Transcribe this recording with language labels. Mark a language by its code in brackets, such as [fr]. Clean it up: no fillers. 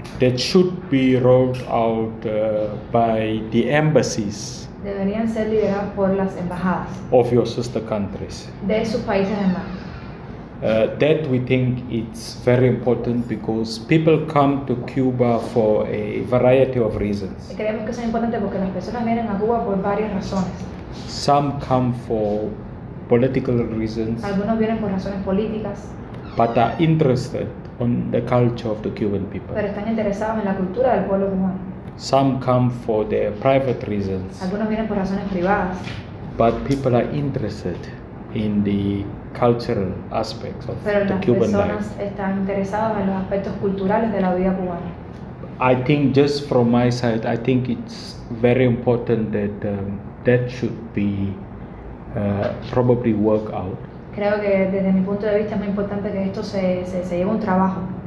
[en] That should be rolled out by the embassies. [es] Deberían ser liderados por las embajadas. [en] Of your sister countries. [es] De sus países hermanos. [en] That we think it's very important because people come to Cuba for a variety of reasons. [es] Creemos que es importante porque las personas vienen a Cuba por varias razones. [en] Some come for political reasons. [es] Algunos vienen por razones políticas. [en] But are interested on the culture of the Cuban people. [es] Pero están interesados en la cultura del pueblo cubano. [en] Some come for their private reasons. [es] Algunos vienen por razones privadas. [en] But people are interested in the cultural aspects of [es] pero [en] the Cuban life. [es] Están interesados en los aspectos culturales de la vida cubana. [en] I think just from my side, I think it's very important that that should be probably work out. [es] Creo que desde mi punto de vista es muy importante que esto se lleve un trabajo.